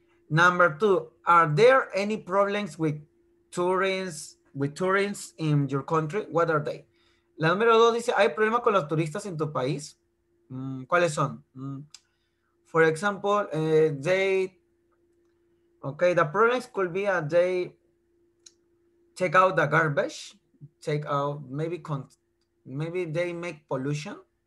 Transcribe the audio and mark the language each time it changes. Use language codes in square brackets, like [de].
[en] Number two, are there any problems with tourists in your country? What are they? [es] La número dos dice, ¿hay problemas con los turistas en tu país? ¿Cuáles son? [en] For example, the problems could be that they take out the garbage, maybe they make pollution.